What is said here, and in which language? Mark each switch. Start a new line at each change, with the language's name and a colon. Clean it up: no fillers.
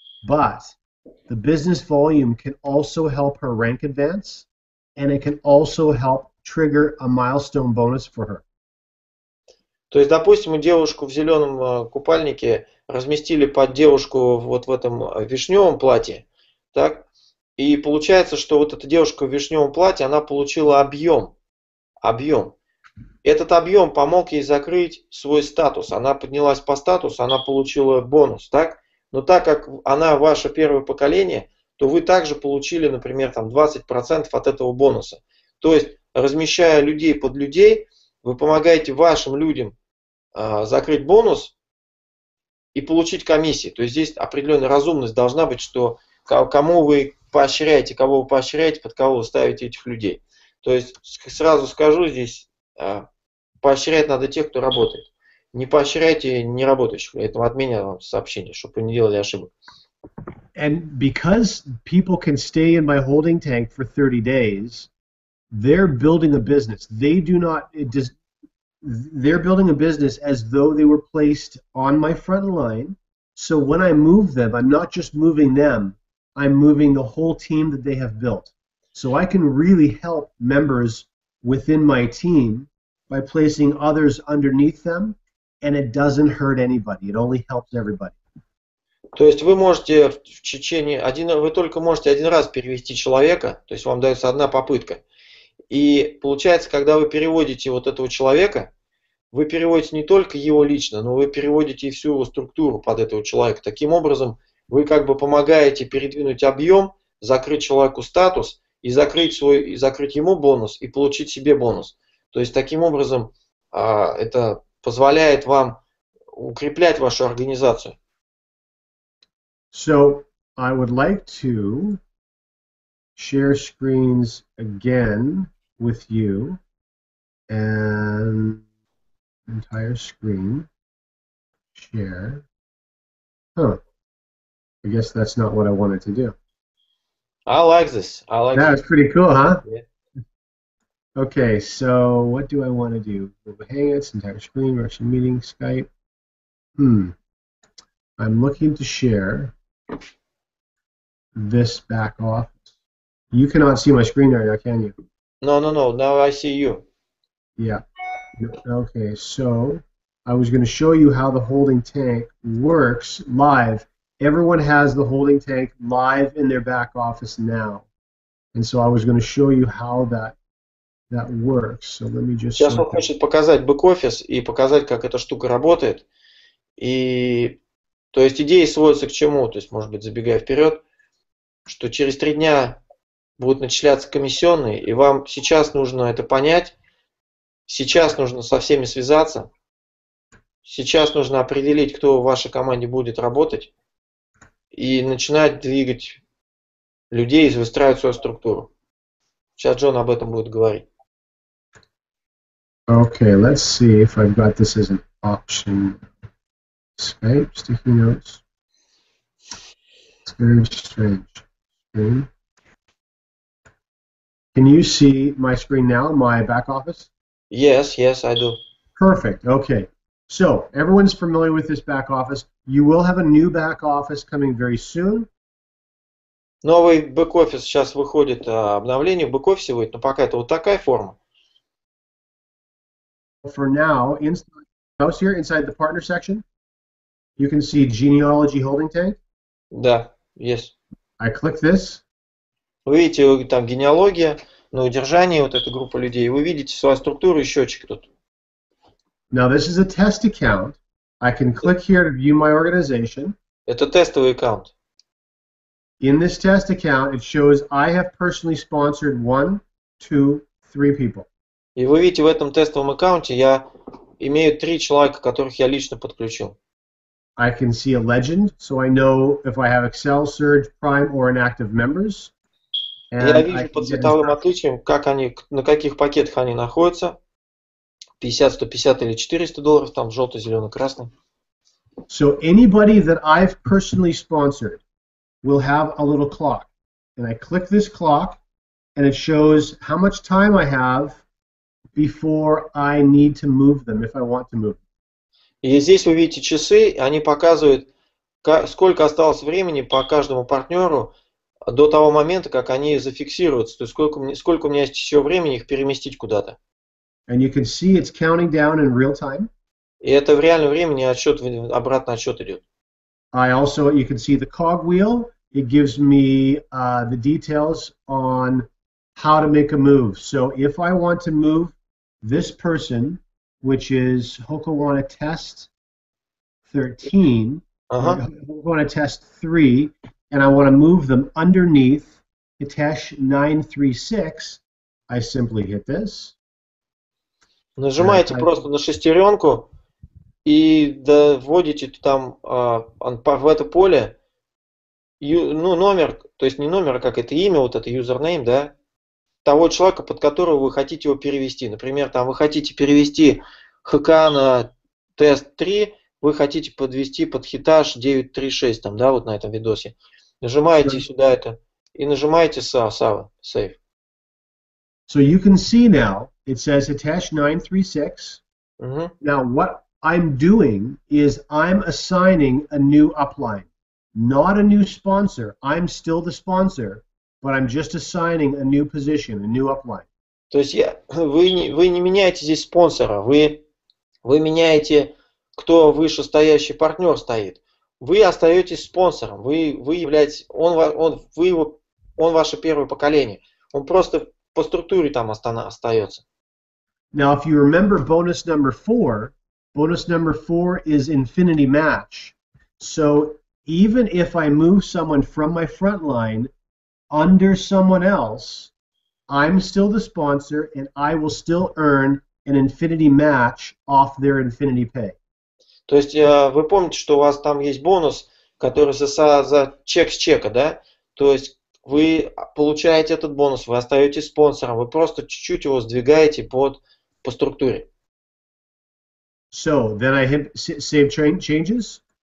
English: But the business volume can also help her rank advance, and it can also help trigger a milestone bonus for her.
Russian: То есть, допустим, девушку в зеленом купальнике разместили под девушку вот в этом вишневом платье, так? И получается, что вот эта девушка в вишневом платье, она получила объем. Объем. Этот объем помог ей закрыть свой статус. Она поднялась по статусу, она получила бонус, так? Но так как она ваше первое поколение, то вы также получили, например, там 20% от этого бонуса. То есть, размещая людей под людей, вы помогаете вашим людям закрыть бонус и получить комиссии. То есть здесь определенная разумность должна быть, что кому вы поощряете, кого вы поощряете, под кого вы ставите этих людей. То есть сразу скажу здесь, поощрять надо тех, кто работает. Не поощряйте неработающих. Поэтому от меня вам сообщение, чтобы вы не делали ошибок.
English: And because people can stay in my holding tank for 30 days, they're building a business. They do not, they're building a business as though they were placed on my front line. So when I move them, I'm not just moving them, I'm moving the whole team that they have built. So I can really help members within my team by placing others underneath them, and it doesn't hurt anybody. It only helps everybody.
Russian: То есть вы можете в течение один, вы только можете один раз перевести человека, то есть вам дается одна попытка. И получается, когда вы переводите вот этого человека, вы переводите не только его лично, но вы переводите и всю его структуру под этого человека. Таким образом, вы как бы помогаете передвинуть объем, закрыть человеку статус и закрыть свой, и закрыть ему бонус и получить себе бонус. То есть таким образом это позволяет вам укреплять вашу организацию.
English: So I would like to share screens again with you and entire screen share. Huh. I guess that's not what I wanted to do. I like this. I like that. That's pretty cool, huh? Yeah. Okay, so what do I want to do? Google Hangouts, entire screen, Russian meeting, Skype. I'm looking to share this back off. You cannot see my screen right now, can you? No. Now I see you. Yeah. Okay, so I was going to show you how the holding tank works live. Everyone has the holding tank live in their back office now. And so I was going to show you how that works. So let me just...
Russian: Сейчас он хочет показать бэк-офис и показать, как эта штука работает. И... То есть идеи сводятся к чему? То есть, может быть, забегая вперед, что через 3 дня будут начисляться комиссионные, и вам сейчас нужно это понять, сейчас нужно со всеми связаться, сейчас нужно определить, кто в вашей команде будет работать, и начинать двигать людей и выстраивать свою структуру. Сейчас Джон об этом будет говорить.
English: Okay, let's see if I've got this as an option. Skype, sticky notes. It's very strange. Screen. Can you see my screen now, my back office? Yes, I do. Perfect, okay. So, everyone's familiar with this back office. You will have a new back office coming very soon.
Russian: Новый бэк-офис сейчас выходит, обновление в бэк-офисе выйдет, но пока это вот такая форма.
English: For now, inside the partner section, you can see genealogy holding tank.
Russian: Да, yes.
English: I click this.
Russian: Вы видите, там генеалогия, на удержание вот эта группа людей. Вы видите свою структуру и счетчик тут.
English: Now this is a test account. I can click here to view my organization.
Russian: Это тестовый аккаунт.
English: In this test account, it shows I have personally sponsored 1, 2, 3 people.
Russian: И вы видите, в этом тестовом аккаунте я имею 3 человека, которых я лично подключил.
English: I can see a legend, so I know if I have Excel, Surge, Prime, or inactive members.
Russian: And я вижу по цветовым отличиям, как они, на каких пакетах они находятся. 50, 150 или 400 долларов, там желтый, зеленый, красный.
English: So anybody that I've personally sponsored will have a little clock. And I click this clock, and it shows how much time I have before I need to move them, if I want to move
Russian: them. И здесь вы видите часы, они показывают, сколько осталось времени по каждому партнеру до того момента, как они зафиксируются, то есть сколько у меня есть еще времени их переместить куда-то.
English: And you can see it's counting down in real time.
Russian: И это в реальном времени отсчет, обратный отсчет идет.
English: I also, you can see the cogwheel. It gives me the details on how to make a move. So if I want to move this person, which is Hokawana Test 13, Hokawana Test 3, and I want to move them underneath Hitesh 936, I simply hit this.
Russian: Нажимаете просто на шестеренку и доводите там в это поле номер, то есть не номер, а как это имя, вот это username, да, того человека, под которого вы хотите его перевести. Например, там вы хотите перевести ХК на тест 3, вы хотите подвести под Hitesh 936, там, да, вот на этом видосе. Нажимаете сюда это и нажимаете Save.
English: So you can see now. It says Hitesh 936. Mm-hmm. Now what I'm doing is I'm assigning a new upline. Not a new sponsor. I'm still the sponsor, but I'm just assigning a new position, a new upline.
Russian: То есть вы не меняете здесь спонсора. Вы меняете, кто вышестоящий партнер стоит. Вы остаетесь спонсором. Вы являетесь. Он ваше первое поколение. Он просто по структуре там остается.
English: Now, if you remember bonus number four is infinity match. So even if I move someone from my front line under someone else, I'm still the sponsor and I will still earn an infinity match off their infinity pay.
Russian: То есть вы помните, что у вас там есть бонус, который за чек с чека, да? То есть вы получаете этот бонус, вы остаетесь спонсором, вы просто чуть-чуть его сдвигаете под... по структуре.
English: So, then I hit save changes.